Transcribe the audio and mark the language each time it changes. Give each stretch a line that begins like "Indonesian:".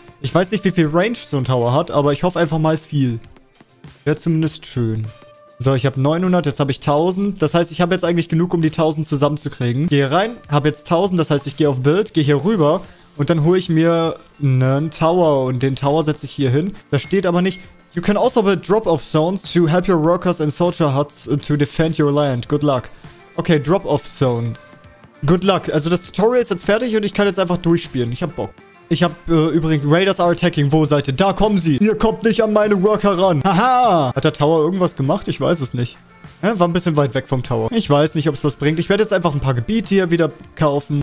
German: Ich weiß nicht, wie viel Range so ein Tower hat, aber ich hoffe einfach mal viel. Wäre zumindest schön. So, ich habe 900, jetzt habe ich 1000. Das heißt, ich habe jetzt eigentlich genug, um die 1000 zusammenzukriegen. Gehe rein, habe jetzt 1000. Das heißt, ich gehe auf Build, gehe hier rüber. Und dann hole ich mir einen Tower. Und den Tower setze ich hier hin. Da steht aber nicht...
English: You can also build drop-off zones to help your workers and soldier huts to defend your land. Good luck. Okay, drop-off zones. Good luck.
German: Also das Tutorial ist jetzt fertig und ich kann jetzt einfach durchspielen. Ich habe Bock. Ich habe übrigens
English: Raiders are attacking.
German: Wo seid ihr? Da kommen sie. Ihr kommt nicht an meine Worker ran. Haha. Hat der Tower irgendwas gemacht? Ich weiß es nicht. Ja, war ein bisschen weit weg vom Tower. Ich weiß nicht, ob es was bringt. Ich werde jetzt einfach ein paar Gebiete hier wieder kaufen.